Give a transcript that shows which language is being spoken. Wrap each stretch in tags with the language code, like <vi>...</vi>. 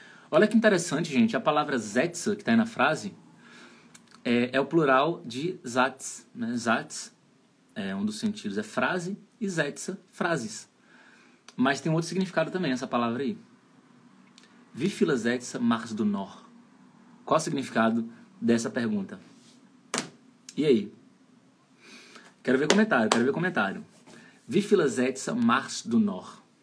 <pt>Olha que interessante, gente. A palavra Sätze, que tá aí na frase, é o plural de Satz, né? Satz é um dos sentidos, é frase, e Sätze, frases. Mas tem outro significado também essa palavra aí.</pt> <de>Wie viele Sätze machst du noch?</de> <pt>Qual o significado dessa pergunta? E aí? Quero ver comentário.</pt> <de>Wie viele Sätze machst du noch?</de>